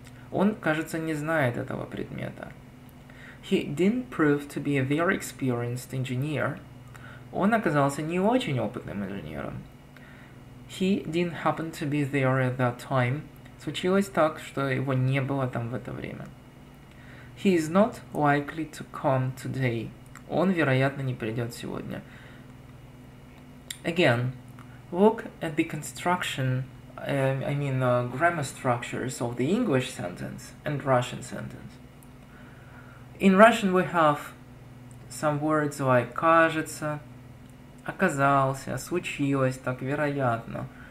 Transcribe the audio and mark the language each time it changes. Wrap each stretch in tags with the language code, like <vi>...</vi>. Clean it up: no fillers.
<ru>Он, кажется, не знает этого предмета.</ru> <en>He didn't prove to be a very experienced engineer.</en> <ru>Он оказался не очень опытным инженером.</ru> <en>He didn't happen to be there at that time.</en> <ru>Случилось так, что его не было там в это время.</ru> <en>He is not likely to come today.</en> <ru>Он, вероятно, не придет сегодня.</ru> <en>Again, look at the construction, grammar structures of the English sentence and Russian sentence. In Russian we have some words like</en> <ru>кажется, оказался, случилось так, вероятно.</ru>